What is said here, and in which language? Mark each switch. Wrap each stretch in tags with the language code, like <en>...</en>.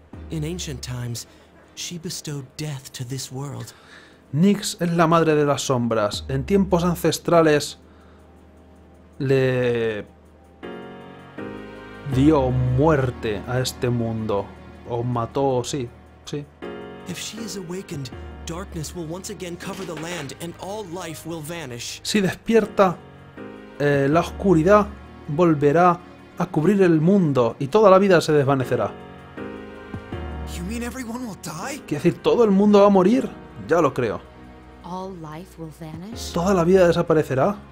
<en>In ancient times, she bestowed death to this world.</en> <es>Nix es la madre de las sombras. En tiempos ancestrales le dio muerte a este mundo. O mató, sí, sí.</es> <en>If she is awakened, darkness will once again cover the land and all life will vanish.</en> <es>Si despierta, la oscuridad volverá a cubrir el mundo y toda la vida se desvanecerá.</es> <en>You mean everyone will die?</en> <es>¿Quiere decir todo el mundo va a morir? Ya lo creo.</es> <en>All life will vanish?</en> <es>¿Toda la vida desaparecerá?</es>